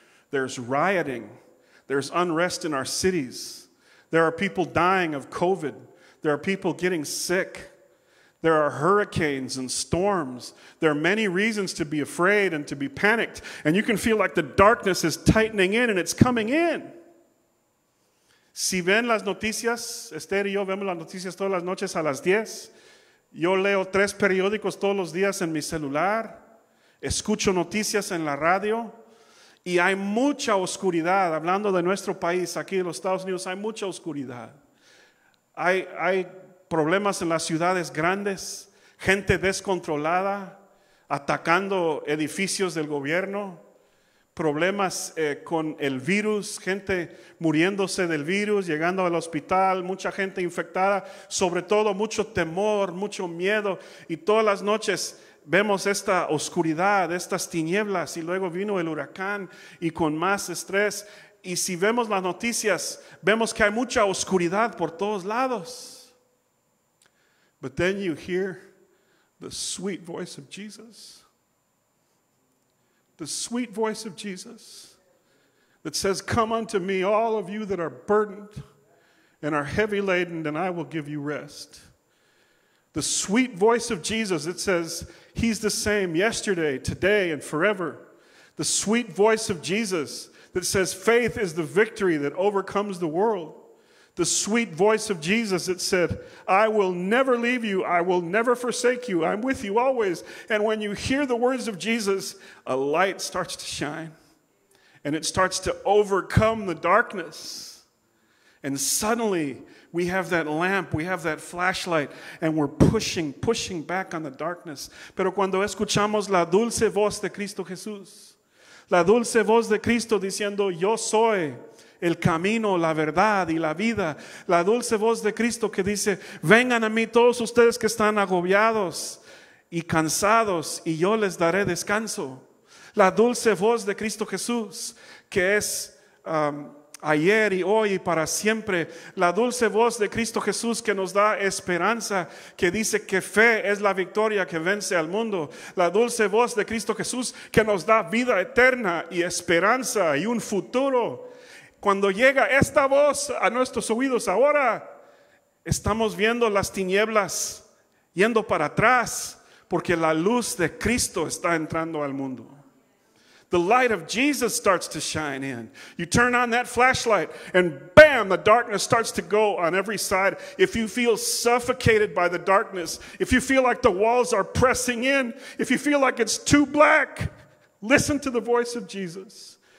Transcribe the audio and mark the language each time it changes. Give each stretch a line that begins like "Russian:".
English: There's rioting. There's unrest in our cities. There are people dying of COVID. There are people getting sick. There are hurricanes and storms. There are many reasons to be afraid and to be panicked. And you can feel like the darkness is tightening in and it's coming in.
Spanish: Si ven las noticias, Esther y yo vemos las noticias todas las noches a las 10. Yo leo 3 periódicos todos los días en mi celular. Escucho noticias en la radio. Y hay mucha oscuridad, hablando de nuestro país, aquí en los Estados Unidos, hay mucha oscuridad. Hay problemas en las ciudades grandes, gente descontrolada, atacando edificios del gobierno, problemas con el virus, gente muriéndose del virus, llegando al hospital, mucha gente infectada, sobre todo mucho temor, mucho miedo, y todas las noches vemos esta oscuridad, estas tinieblas, y luego vino el huracán y con más estrés. Y si vemos las noticias, vemos que hay mucha oscuridad por todos lados.
English: But then you hear the sweet voice of Jesus. The sweet voice of Jesus that says, "Come unto me, all of you that are burdened and are heavy laden, and I will give you rest." The sweet voice of Jesus, it says, he's the same yesterday, today, and forever. The sweet voice of Jesus that says faith is the victory that overcomes the world. The sweet voice of Jesus that said, "I will never leave you. I will never forsake you. I'm with you always." And when you hear the words of Jesus, a light starts to shine. And it starts to overcome the darkness. And suddenly, we have that lamp, we have that flashlight, and we're pushing, pushing back on the darkness.
Spanish: Pero cuando escuchamos la dulce voz de Cristo Jesús, la dulce voz de Cristo diciendo, "Yo soy el camino, la verdad y la vida." La dulce voz de Cristo que dice, "Vengan a mí todos ustedes que están agobiados y cansados, y yo les daré descanso." La dulce voz de Cristo Jesús que es ayer y hoy y para siempre, la dulce voz de Cristo Jesús que nos da esperanza, que dice que fe es la victoria que vence al mundo, la dulce voz de Cristo Jesús que nos da vida eterna y esperanza y un futuro. Cuando llega esta voz a nuestros oídos, ahora estamos viendo las tinieblas yendo para atrás, porque la luz de Cristo está entrando al mundo.
English: The light of Jesus starts to shine in. You turn on that flashlight and bam, the darkness starts to go on every side. If you feel suffocated by the darkness, if you feel like the walls are pressing in, if you feel like it's too black, listen to the voice of Jesus.